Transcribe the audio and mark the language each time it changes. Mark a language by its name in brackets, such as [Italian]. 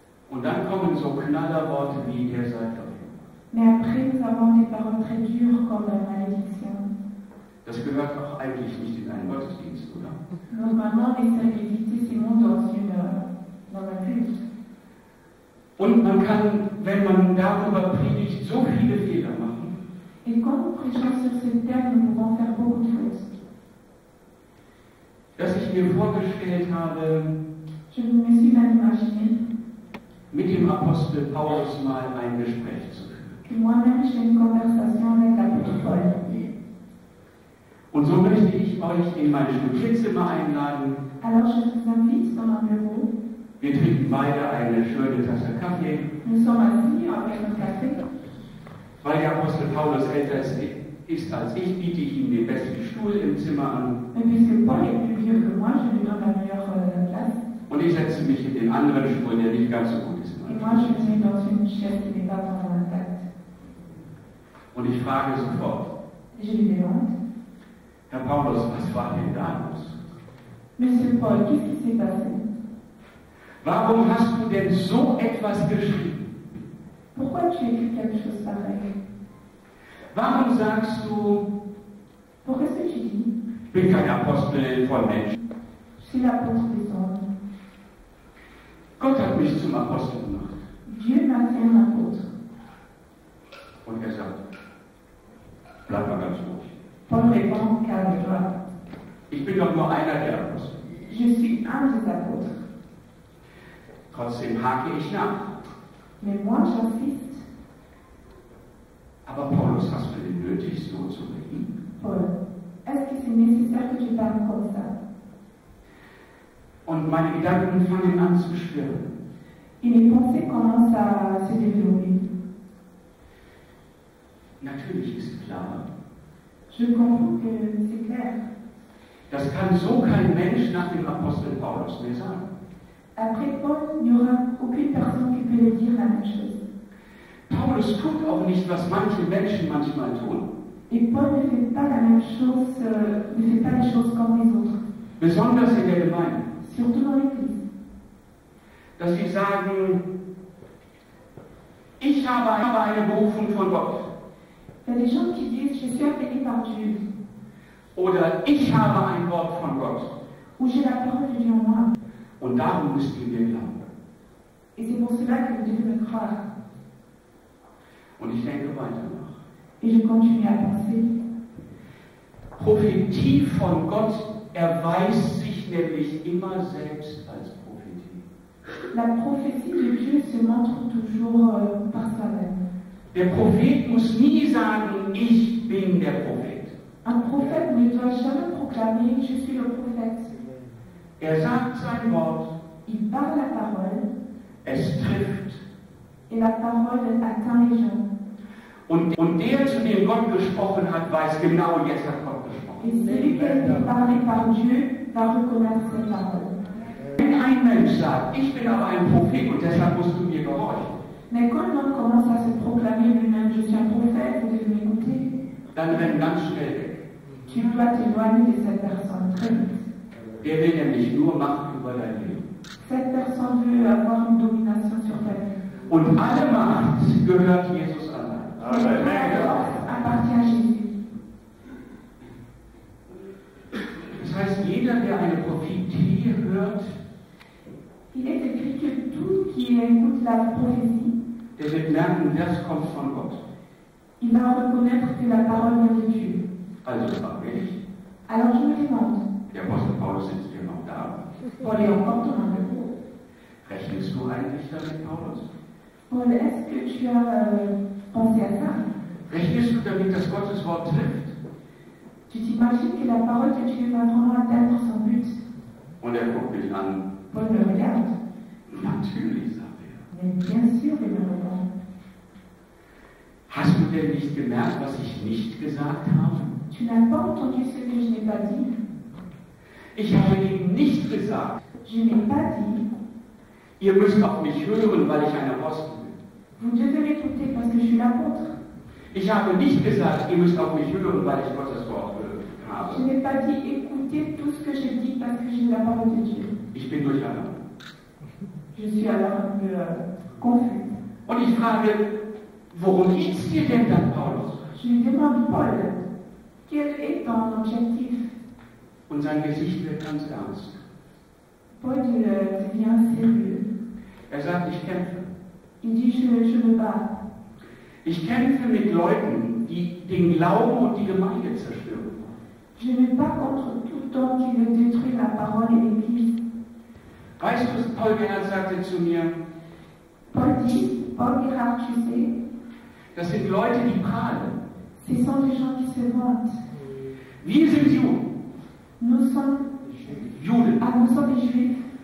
[German] Und dann kommen so Knallerworte wie der Seite. [French] Mais après, nous avons des paroles très dures comme la malédiction. [German] Das gehört auch eigentlich nicht in einen Gottesdienst, oder? [French] Normalement, les sacrifices, c'est mon dans la culte. [German] Und man kann, wenn man darüber predigt, so viele Fehler machen. [French] Et quand nous prêchons sur ce thème, nous pouvons faire beaucoup de choses. [German] Dass ich mir vorgestellt habe, [French] je me suis même imaginé, [German] mit dem Apostel Paulus mal ein Gespräch zu führen. [French] Moi-même, j'ai une conversation avec la petite folle. [German] Und so möchte ich euch in mein Studierzimmer einladen. [French] Alors, je vous invite dans mon bureau. [German] Wir trinken beide eine schöne Tasse Kaffee. [French] Nous sommes assis avec un café. [German] Weil der Apostel Paulus älter ist als ich, biete ich ihm den besten Stuhl im Zimmer an. [French] Et puisque Paul est plus vieux que moi, je lui donne la meilleure place. [German] Und ich setze mich in den anderen Stuhl, der nicht ganz so gut ist. [French] Et moi, je suis dans une chaise qui n'est pas dans la tête. [German] Und ich frage sofort, Herr Paulus, was war denn da los? [French] Monsieur Paul, qu'est-ce qui s'est passé? [German] Warum hast du denn so etwas geschrieben? [French] Pourquoi tu écris quelque chose pareil? [German] Warum sagst du, [French] pourquoi est-ce que tu dis? [German] Ich bin kein Apostel von Menschen. [French] Je suis l'apôtre des hommes. [German] Gott hat mich zum Apostel gemacht. [French] Dieu m'a fait un apôtre. [German] Und er sagt, bleib mal ganz ruhig. [French] Paul répond, calme-toi. [German] Ich bin doch nur einer der Apostel. [French] Je suis un des apôtres. [German] Trotzdem hake ich nach. [French] Mais moi, j'insiste. [German] Aber Paulus, hast du denn nötig, so zu reden? [French] Paul, est-ce que c'est nécessaire que tu parles comme ça? [German] Und meine Gedanken fangen an zu schwirren. [French] Et mes pensées commencent à se développer. [German] Natürlich ist klar. [French] Je comprends que c'est clair. [German] Das kann so kein Mensch nach dem Apostel Paulus mehr sagen. [French] Après Paul, il n'y aura aucune personne qui peut le dire la même chose. [German] Paulus tut auch nicht, was manche Menschen manchmal tun. [French] Et Paul ne fait pas la même chose, ne fait pas les choses comme les autres. [German] Besonders in der Gemeinde. [French] Surtout dans l'Église. [German] Dass sie sagen, ich habe eine Berufung von Gott. [French] Il y a des gens qui disent, je suis appelé par Dieu. [German] Oder ich habe ein Wort von Gott. [French] Ou j'ai la parole de Dieu en moi. [German] Und darum müsst ihr mir glauben. [French] Et c'est pour cela que vous devez me croire. [German] Und ich denke weiter nach. [French] Et je continue à penser. [German] Prophetie von Gott erweist sich nämlich immer selbst als Prophetie. [French] La prophétie de Dieu se montre toujours par soi-même. [German] Der Prophet muss nie sagen, ich bin der Prophet. [French] Un prophète ne doit jamais proclamer, je suis le prophète. [German] Er sagt sein Wort. [French] Il parle la parole. [German] Es trifft. [French] Et la parole atteint les gens. [German] Und der, zu dem Gott gesprochen hat, weiß genau, jetzt hat Gott gesprochen. [French] Et celui qui a parlé par Dieu va reconnaître cette parole. [German] Wenn ein Mensch sagt, ich bin aber ein Prophet und deshalb musst du mir gehorchen. [French] Mais quand l'homme commence à se proclamer lui-même, je suis un prophète, vous devez m'écouter. [German] Dann rennt ganz schnell weg. [French] Tu dois t'éloigner de cette personne très vite. [German] Der will nämlich nur Macht über dein Leben. [French] Cette personne veut avoir une domination sur ta vie. [German] Und alle Macht gehört Jesus allein. [French] Amen. Appartient à Jésus. [German] Das heißt, jeder, der eine Prophetie hört, [French] il est écrit que tout qui écoute la prophétie, [German] der wird merken, das kommt von Gott. [French] Il va reconnaître que la parole vient de Dieu. [German] Also, frage ich. [French] Alors je me demande. [German] Der Apostel Paulus sitzt hier noch da. [French] Paul est encore dans le bureau. [German] Rechnest du eigentlich damit, Paulus? [French] Paul, est-ce que tu as pensé à ça? [German] Rechnest du damit, dass Gottes Wort trifft? [French] Tu t'imagines que la parole de Dieu va vraiment atteindre son but? [German] Und er guckt mich an. [French] Paul me regarde. [German] Natürlich, sagt er. [French] Mais bien sûr, il me regarde. [German] Hast du denn nicht gemerkt, was ich nicht gesagt habe? [French] Tu n'as pas entendu ce que je n'ai pas dit? [German] Ich habe ihm nicht gesagt. [French] Je n'ai pas dit. [German] Ihr müsst auf mich hören, weil ich ein Apostel bin. [French] Vous devez m'écouter parce que je suis l'apôtre. [German] Ich habe nicht gesagt, ihr müsst auf mich hören, weil ich Gottes Wort habe. [French] Je n'ai pas dit, écoutez tout ce que je dis parce que j'ai la parole de Dieu. [German] Ich bin durcheinander. [French] Je suis alors confus. [German] Und ich frage, worum geht's dir denn dann, Paulus? [French] Je lui demande, Paul, quel est ton objectif? [German] Und sein Gesicht wird ganz ernst. [French] Paul devient sérieux. [German] Er sagt, ich kämpfe. [French] Il dit, je me bats. [German] Ich kämpfe mit Leuten, die den Glauben und die Gemeinde zerstören. [French] Je me bats contre tout homme qui veut détruire la parole et l'église. [German] Weißt du, Paul Gerhard sagte zu mir, [French] Paul dit, Paul Gerhard, tu sais, [German] das sind Leute, die prahlen. [French] Ce sont des gens qui se vantent. [German] Wir sind Juden. [French] Nous sommes [German] Juden. [French] Ah, nous sommes des Juifs.